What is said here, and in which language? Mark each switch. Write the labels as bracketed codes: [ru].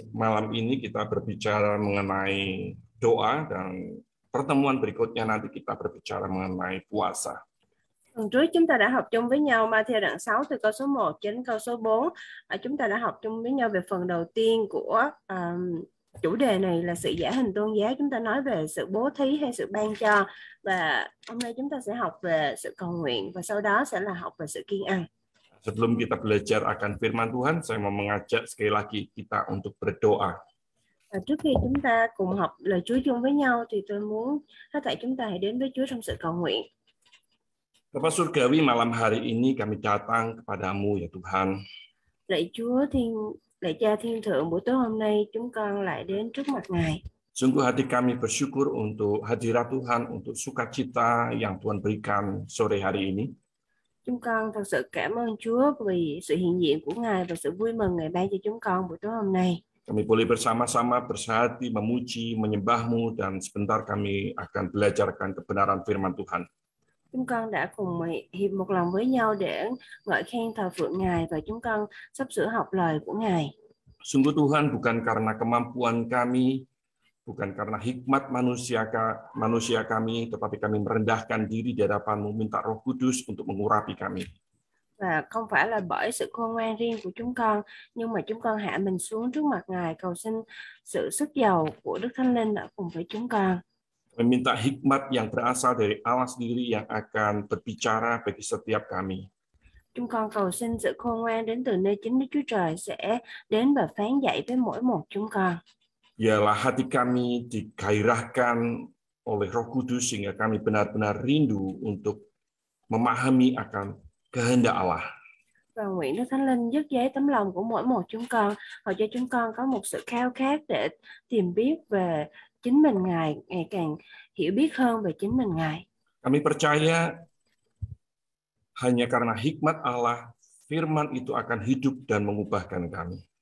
[id] Malam ini kita berbicara mengenai doa dan pertemuan berikutnya nanti kita berbicara mengenai puasa. [vi] Tuần trước chúng ta đã học chung với nhau Matthew đoạn 6 từ câu số 1 đến câu số 4. Chúng ta đã học chung với nhau về phần đầu tiên của chủ đề này là sự giả hình tôn giá. Chúng ta nói về sự bố thí hay sự ban cho. Và hôm nay chúng ta sẽ học về sự cầu nguyện và sau đó sẽ là học về sự kiêng ăn. [id] sebelum kita belajar akan firman Tuhan, saya mau mengajak sekali lagi kita untuk berdoa. [vi] Và trước khi chúng ta cùng học lời Chúa chung với nhau, thì tôi muốn tất cả chúng ta hãy đến với Chúa trong sự cầu nguyện. [id] Bapa Surgawi, malam hari ini kami datang kepadamu ya Tuhan. [vi] Lạy Chúa Thiên, Lạy Cha Thiên Thượng, buổi tối hôm nay chúng con lại đến trước mặt Ngài. [id] Sungguh hati kami bersyukur untuk hadirat Tuhan, untuk sukacita yang Tuhan berikan sore hari ini. [vi] Chúng con thật sự cảm ơn Chúa vì sự hiện diện của Ngài và sự vui mừng Ngài ban cho chúng con buổi tối hôm nay. [id] Kami boleh bersama-sama bersahati memuji, menyembah-Mu, dan sebentar kami akan belajarkan kebenaran firman Tuhan. [vi] Chúng con đã cùng hiệp một lòng với nhau để ngợi khen thờ phượng Ngài và chúng con sắp sửa học lời của Ngài. [id] Sungguh Tuhan, bukan karena kemampuan kami, bukan karena hikmat manusia kami, tetapi kami merendahkan diri di hadapan-Mu, minta Roh Kudus untuk mengurapi kami. [vi] Và không phải là bởi sự khôn ngoan riêng của chúng con, nhưng mà chúng con hạ mình xuống trước mặt Ngài, cầu xin sự sức dầu của Đức Thánh Linh ở cùng với chúng con. [id] Kami minta hikmat yang berasal dari Allah sendiri yang akan berbicara bagi setiap kami. [vi] Chúng con cầu xin sự khôn ngoan đến từ nơi chính Đức Chúa Trời sẽ đến và phán dạy với mỗi một chúng con. [id] Biarlah hati kami digairahkan oleh Roh Kudus sehingga kami benar-benar rindu untuk memahami akan kehendak Allah. [vi] Và nguyện Đức Thánh Linh dứt dấy tấm lòng của mỗi một chúng con, hầu cho chúng con có một sự khao khát để tìm biết về chính mình Ngài, ngày càng hiểu biết hơn về chính mình Ngài. [id] Kami percaya hanya karena hikmat Allah, firman itu akan hidup dan mengubahkan kami.